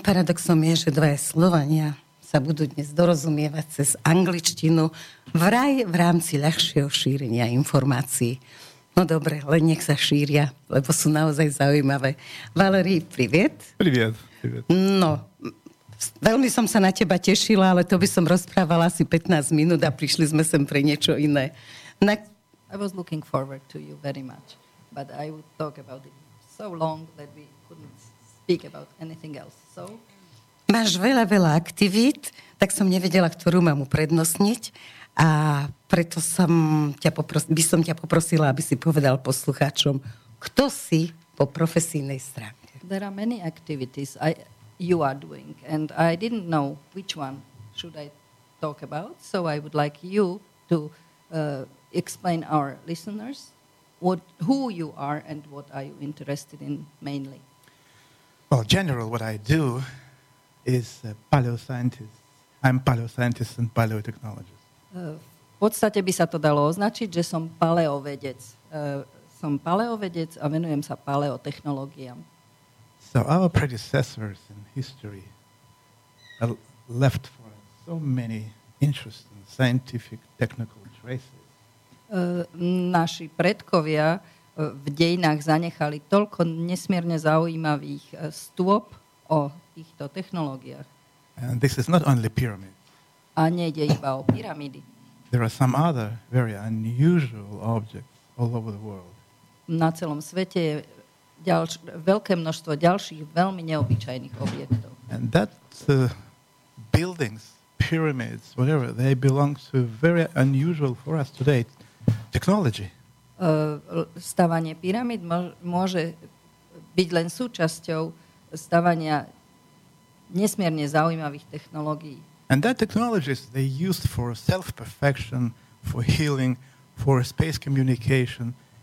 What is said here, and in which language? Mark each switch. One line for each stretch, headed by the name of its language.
Slovak: Paradoxom je, že dvaja Slovania sa budú dnes dorozumievať cez angličtinu vraj v rámci ľahšieho šírenia informácií. No dobre, len nech sa šíria, lebo sú naozaj zaujímavé.
Russian: Valerij, priviet. Priviet.
Slovak: No, veľmi som sa na teba tešila, ale to by som rozprávala asi 15 minút a prišli sme sem pre niečo iné.
English: I was looking forward to you very much, but I would talk about it so long that we speak about anything else. So,
Slovak: máš veľa, veľa aktivít, tak som nevedela, ktorú mám uprednostniť a preto som ťa by som ťa poprosila, aby si povedal poslucháčom, kto si po profesijnej stránke.
English: There are many activities you are doing and I didn't know which one should I talk about, so I would like you to explain our listeners who you are and what are you interested in mainly. Well, general, what I do is paleoscientist. I'm paleoscientist and paleotechnologist.
Slovak: V podstate by sa to dalo označiť, že som paleovedec. Som paleovedec a venujem sa paleotechnológiám.
English: So our predecessors in history left for us so many interesting scientific technical traces.
Slovak: Naši predkovia v dejinách zanechali toľko nesmierne zaujímavých stôp o týchto technológiách.
English: And this is not only pyramids.
Slovak: A nejde iba o pyramidy.
English: There are some other very unusual objects all over the world.
Slovak: Na celom svete je veľké množstvo ďalších veľmi neobyčajných objektov.
English: And that buildings, pyramids, whatever, they belong to very unusual for us today technology.
Slovak: Stavanie pyramid môže byť len súčasťou stavania nesmierne zaujímavých technológií.
English: And that technologies they used for self-perfection, for healing, for space communication.